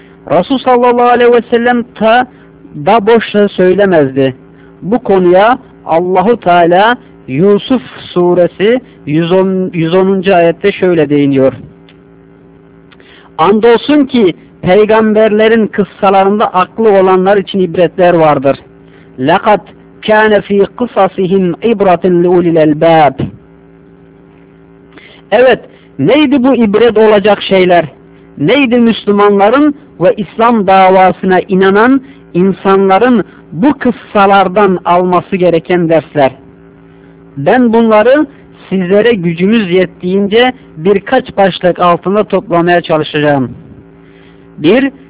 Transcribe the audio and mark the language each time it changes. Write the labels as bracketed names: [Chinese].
[Turkish] Resul sallallahu aleyhi ve sellem da boşta söylemezdi. Bu konuya Allah-u Teala Yusuf suresi 110. ayette şöyle değiniyor. Andolsun ki peygamberlerin kıssalarında aklı olanlar için ibretler vardır. [Arabic] لَقَدْ كَانَ ف۪ي قِصَصِهِمْ اِبْرَةٍ لِعُلِلَ الْبَابِ [Turkish] Evet, neydi bu ibret olacak şeyler? Neydi Müslümanların ve İslam davasına inanan insanların bu kıssalardan alması gereken dersler? Ben bunları sizlere gücümüz yettiğince birkaç başlık altında toplamaya çalışacağım. 1.